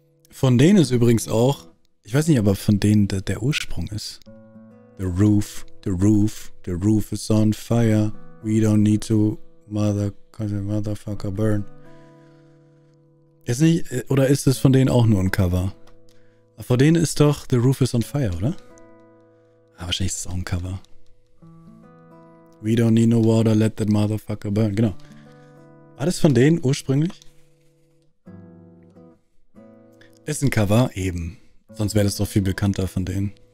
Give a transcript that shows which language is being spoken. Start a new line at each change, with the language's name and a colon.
German: Von denen ist übrigens auch, ich weiß nicht, aber von denen der Ursprung ist.
English: The roof, the roof, the roof is on fire. We don't need to motherfucker burn.
German: Ist nicht, oder ist es von denen auch nur ein Cover? Von denen ist doch The Roof is on Fire, oder? Ah, wahrscheinlich ist es auch ein Cover.
English: We don't need no water, let that motherfucker burn.
German: Genau. War das von denen ursprünglich? Ist ein Cover, eben. Sonst wäre das doch viel bekannter von denen.